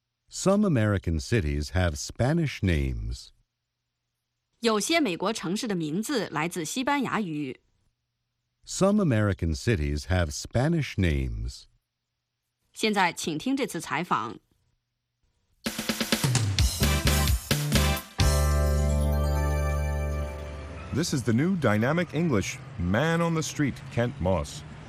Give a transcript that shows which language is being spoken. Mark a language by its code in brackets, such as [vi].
[en] Some American cities have Spanish names. [zh] 有些美国城市的名字来自西班牙语。 [en] Some American cities have Spanish names. [zh] 现在请听这次采访。 [en] This is the new Dynamic English Man on the Street, Kent Moss.